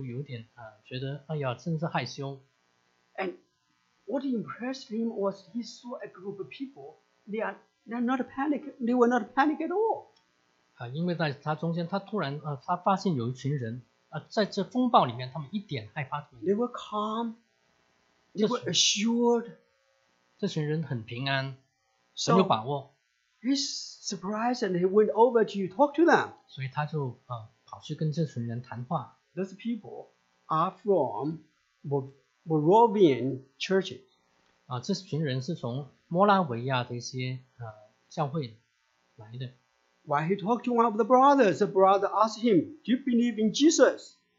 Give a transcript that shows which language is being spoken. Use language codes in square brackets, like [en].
[zh] 但是当暴风过去之后，他就有点觉得哎呀，真是害羞。 [en] And what impressed him was he saw a group of people. They were not panicked at all. [zh] 因为在他中间，他突然发现有一群人。在这风暴里面，他们一点害怕都没有。 [en] They were calm. They were assured. [zh] 这群人很平安， 很有把握。 [en] He's surprised and he went over to talk to them. [zh] 所以他就跑去跟这群人谈话。 [en] Those people are from Moravian churches. [zh] 这群人是从摩拉维亚的一些教会来的。 [en] While he talked to one of the brothers, the brother asked him, "Do you believe in Jesus?"